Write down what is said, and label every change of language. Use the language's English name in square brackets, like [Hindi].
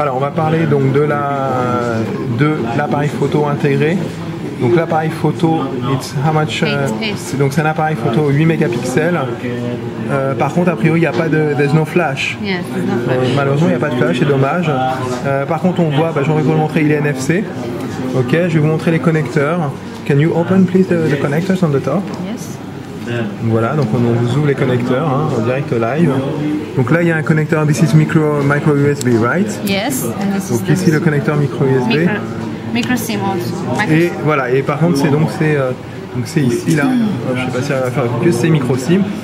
[French] Alors on va parler donc de l'appareil photo intégré. Donc l'appareil photo, [English] it's how much, [French] donc c'est un appareil photo 8 mégapixels. Par contre, a priori, il n'y a pas de [English] there's no flash. Yes, no flash. [French] Malheureusement, il n'y a pas de flash, c'est dommage. Par contre, on voit, j'ai envie de vous montrer, il est NFC. Ok, je vais vous montrer les connecteurs. [English] Can you open please the connectors on the top? Yes. [French] Voilà, donc on vous ouvre les connecteurs hein, en direct live. Donc là, il y a un connecteur, [English] this is micro USB, right? Yes. And [French] donc ici, le connecteur micro USB. Micro SIM. Et voilà, et par contre, c'est ici là. Je ne sais pas si ça va faire que c'est micro SIM.